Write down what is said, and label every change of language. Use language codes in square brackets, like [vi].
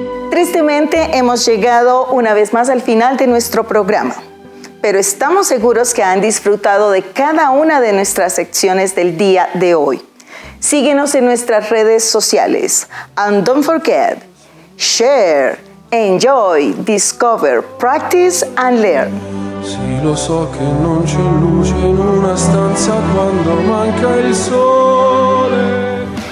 [es] Tristemente, hemos llegado una vez más al final de nuestro programa, pero estamos seguros que han disfrutado de cada una de nuestras secciones del día de hoy. Síguenos en nuestras redes sociales. [en] And don't forget, share, enjoy, discover, practice and learn. [it] Sì, lo so che non c'è luce in una stanza quando manca il sole.